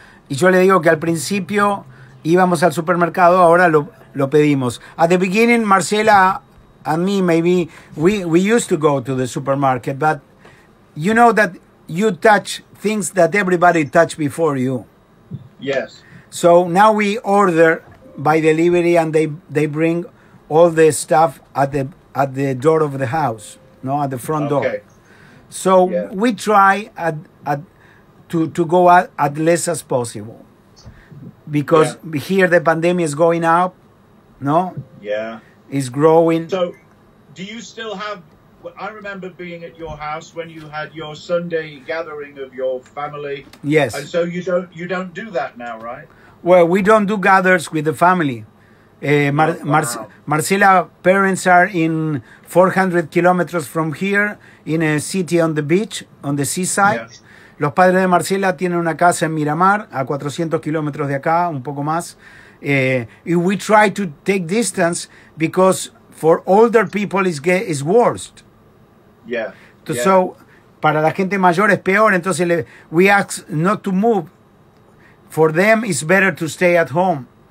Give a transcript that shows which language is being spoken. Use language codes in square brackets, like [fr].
[es] Y yo le digo que al principio íbamos al supermercado, ahora lo pedimos. [en] At the beginning, Marcela and me, maybe, we used to go to the supermarket, but you know that you touch things that everybody touched before you. Yes. So now we order by delivery and they bring all the stuff at the door of the house, no, at the front door. Okay. So yeah. We try to go out at less as possible because yeah. Here the pandemic is going up, no? Yeah. It's growing. So do you still have, I remember being at your house when you had your Sunday gathering of your family. Yes. And so you don't do that now, right? Well, we don't do gathers with the family. Marcela's parents are in 400 kilometers from here in a city on the beach, on the seaside. Yes. [es] Los padres de Marcela tienen una casa en Miramar, a 400 kilómetros de acá, un poco más. [en] And we try to take distance because for older people it's worse. Yeah. [es] So, para la gente mayor es peor, entonces [en] we ask not to move. For them, it's better to stay at home.